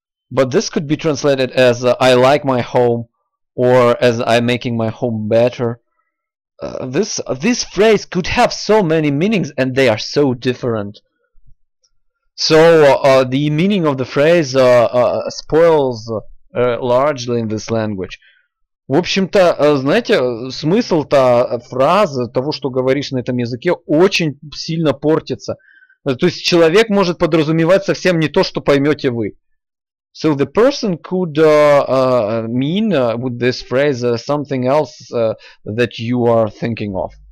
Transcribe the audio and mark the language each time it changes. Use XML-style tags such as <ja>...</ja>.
<en>But this could be translated as I like my home or as I'm making my home better. This phrase could have so many meanings and they are so different. So the meaning of the phrase spoils largely in this language.</en> <ru>В общем-то, знаете, смысл-то фразы того, что говоришь на этом языке, очень сильно портится. То есть человек может подразумевать совсем не то, что поймете вы.</ru> <en>So the person could mean with this phrase something else that you are thinking of.</en>